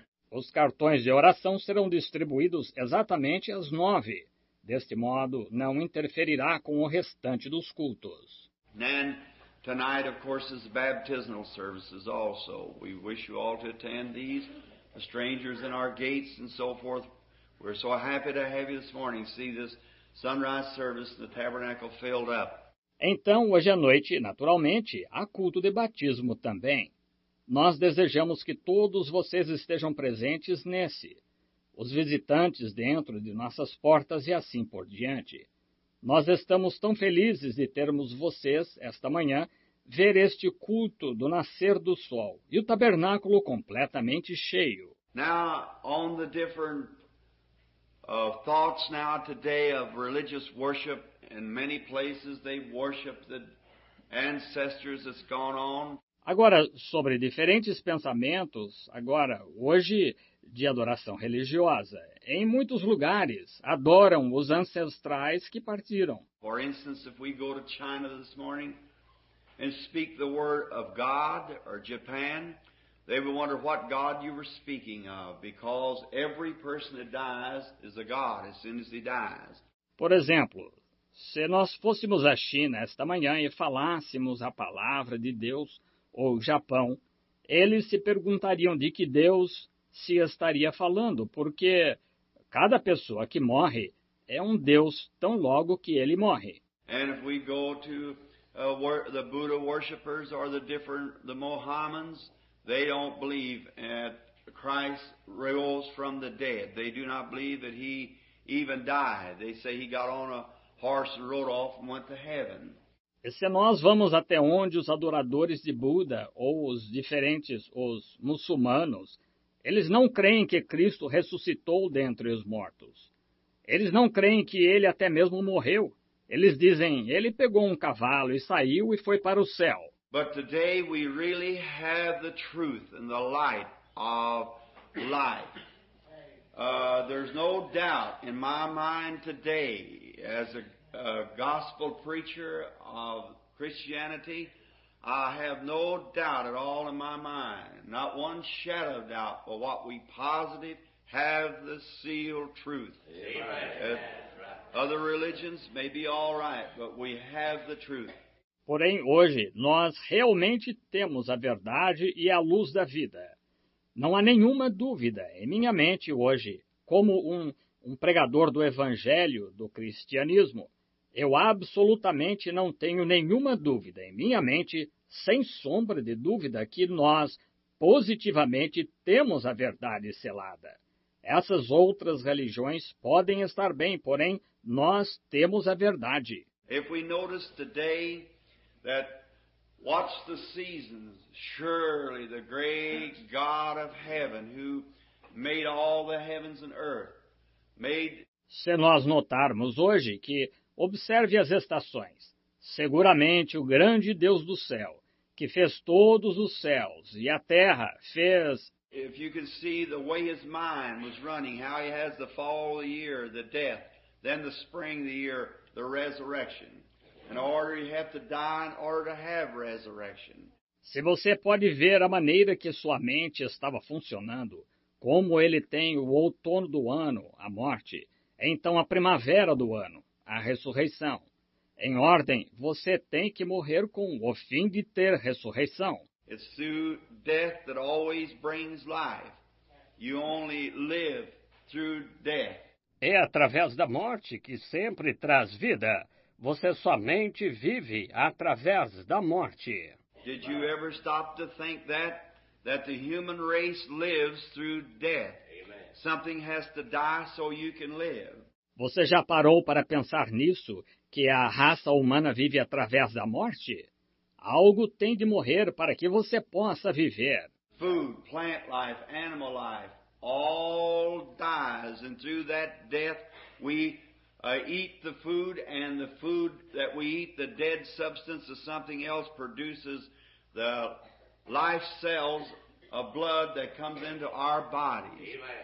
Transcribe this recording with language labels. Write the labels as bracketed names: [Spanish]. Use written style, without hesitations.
[Portuguese] Os cartões de oração serão distribuídos exatamente às 9. Deste modo, não interferirá com o restante dos cultos. [English] Then, tonight, of course, is baptismal services also. We wish you all to attend these, the strangers in our gates and so forth. We're so happy to have you this morning. See this sunrise service, the tabernacle filled up. [Portuguese] Então, hoje à noite, naturalmente, há culto de batismo também. Nós desejamos que todos vocês estejam presentes nesse. Os visitantes dentro de nossas portas e assim por diante. Nós estamos tão felizes de termos vocês, esta manhã, ver este culto do nascer do sol e o tabernáculo completamente cheio. [English] Now, on the different thoughts now today of religious worship, in many places they worship the ancestors that's gone on. [Portuguese] Agora, sobre diferentes pensamentos, agora, hoje, de adoração religiosa. Em muitos lugares, adoram os ancestrais que partiram. [English] For instance, if we go to China this morning, and speak the word of God or Japan, they would wonder what God you were speaking of, because every person that dies is a god as soon as he dies. [Portuguese] Por exemplo, se nós fôssemos à China esta manhã e falássemos a palavra de Deus, ou Japão, eles se perguntariam de que Deus se estaria falando, porque cada pessoa que morre é um Deus tão logo que ele morre. [English] And if we go to the Buddha worshippers or the Mohammedans, they don't believe that Christ rose from the dead. They do not believe that he even died. They say he got on a horse and rode off and went to heaven. [Portuguese] E se nós vamos até onde os adoradores de Buda ou os diferentes, os muçulmanos, eles não creem que Cristo ressuscitou dentre os mortos. Eles não creem que ele até mesmo morreu. Eles dizem, ele pegou um cavalo e saiu e foi para o céu. [English] But today we really have the truth and the light of life. There's no doubt in my mind today, as a gospel preacher of Christianity, I have no doubt at all in my mind, not one shadow of doubt, but what we positive have the sealed truth. Amen. Other religions may be all right, but we have the truth. [Portuguese] Porém, hoje, nós realmente temos a verdade e a luz da vida. Não há nenhuma dúvida em minha mente hoje, como um pregador do Evangelho, do cristianismo, eu absolutamente não tenho nenhuma dúvida em minha mente, sem sombra de dúvida, que nós positivamente temos a verdade selada. Essas outras religiões podem estar bem, porém, nós temos a verdade. [English] If we notice today that watch the seasons, surely the great God of heaven who made all the heavens and earth made... [Portuguese] Se nós notarmos hoje que observe as estações, seguramente o grande Deus do céu, que fez todos os céus e a terra, fez... [English] If you can see the way his mind was running, how he has the fall of the year, the death, then the spring of the year, the resurrection. In order you have to die in order to have resurrection. [Portuguese] Se você pode ver a maneira que sua mente estava funcionando, como ele tem o outono do ano, a morte, então a primavera do ano, a ressurreição. Em ordem, você tem que morrer com o fim de ter ressurreição. [English] It's through death that always brings life. You only live through death. [Portuguese] É através da morte que sempre traz vida. Você somente vive através da morte. [English] Did you ever stop to think that the human race lives through death? Amen. Something has to die so you can live. [Portuguese] Você já parou para pensar nisso, que a raça humana vive através da morte? Algo tem de morrer para que você possa viver. [English] Food, plant life, animal life, all dies, and through that death we eat the food, and the food that we eat, the dead substance of something else, produces the life cells of blood that comes into our bodies.